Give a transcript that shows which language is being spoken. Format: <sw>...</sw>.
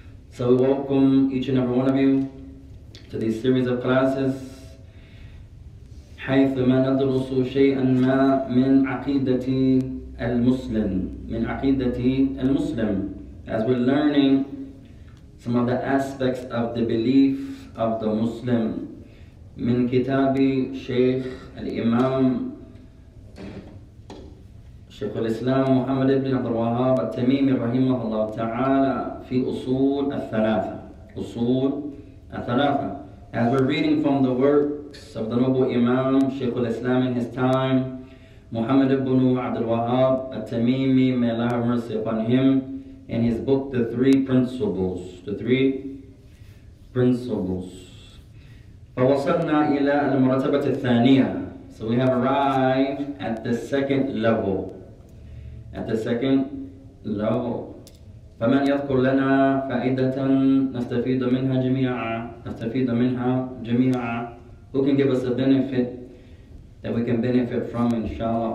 <en>So we welcome each and every one of you to this series of classes.</en> <ar>حَيْثُ مَا نَدْرُسُ شَيْئًا مَا مِنْ عَقِيدَةِ الْمُسْلِمِ مِنْ عَقِيدَةِ الْمُسْلِمِ.</ar> <en>As we're learning some of the aspects of the belief of the Muslim.</en> <ar>مِنْ كِتَابِ شَيْخ الْإِمَامِ شيخ الإسلام محمد بن عبد الوهاب التميمي رحمه الله تعالى في أصول الثلاثة. أصول الثلاثة.</ar> <en>As we're reading from the works of the noble Imam, شيخ الإسلام in his time, محمد بن عبد الوهاب التميمي, may Allah have mercy upon him, in his book, The Three Principles. The Three Principles.</en> <ar>فوصلنا إلى المرتبة الثانية.</ar> <en>So we have arrived at the second level. At the second level.</en> <ar>فَمَنْ يَذْكُرْ لَنَا فَائِدَةً نَسْتَفِيدُ مِنْهَا جَمِيعًا نَسْتَفِيدُ مِنْهَا جَمِيعًا.</ar> <en>Who can give us a benefit that we can benefit from, inshallah?</en>